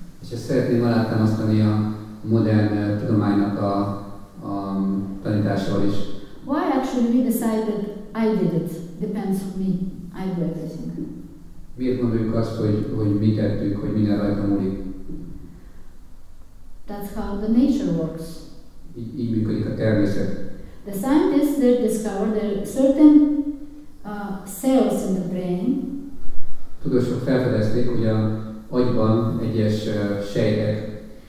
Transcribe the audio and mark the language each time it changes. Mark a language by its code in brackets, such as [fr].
[hu] És ezt szeretném alátámasztani a modern tudománynak a tanításával is. [en] Why actually we decided I did it depends on me. I do everything. [hu] Miért gondoljuk azt, hogy mi tettük, hogy minden rajta múlik? [en] That's how the nature works. [hu] Így működik a természet. [en] The scientists they discovered there are certain cells in the brain. [hu] Tudósok felfedezték, hogy a agyban egyes sejtek.